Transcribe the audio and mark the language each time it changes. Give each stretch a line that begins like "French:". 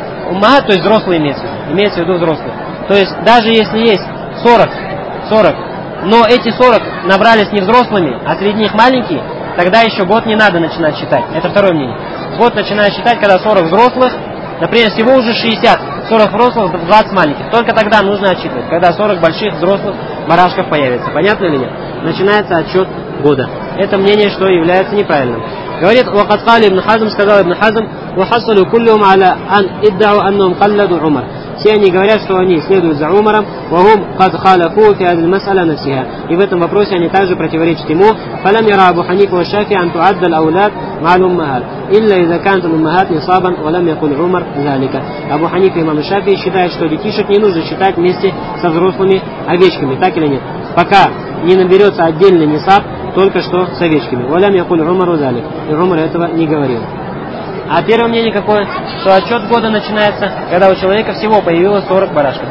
Russian: Ума, то есть взрослые имеется в виду взрослые. То есть даже если есть 40, но эти 40 набрались не взрослыми, а среди них маленькие, тогда еще год не надо начинать считать. Это второе мнение. Год начинает считать, когда 40 взрослых, например, всего уже 60, 40 взрослых, 20 маленьких. Только тогда нужно отчитывать, когда 40 больших взрослых барашков появится. Понятно ли нет? Начинается отчет года. Это мнение, что является неправильным. Говорит,
Arabic: وقال ابن حزم,
Russian: сказал
Arabic: ابن حزم, وحصلوا كلهم على أن ادعوا أنهم قلدوا عمر.
Russian: Все они говорят, что они следуют за Умаром,
Arabic: وهم قد خالفوا في هذه المسألة نفسها.
Russian: И в этом вопросе они также противоречат ему.
Arabic: فلم يرى أبو حنيفة والشافعي أن تعد الأولاد مع الأمهات إلا إذا كانت الأمهات نصابا ولم يقل عمر ذلك.
Russian: Абу Ханиф и имам Шафии считают, что детишек не нужно считать вместе со взрослыми овечками, так или нет? Пока не наберется отдельный нисаб, только что с овечками.
Arabic: Валям якуль Умару залик.
Russian: И Умар этого не говорил. А первое мнение какое? Что отчет года начинается, когда у человека всего появилось 40 барашков.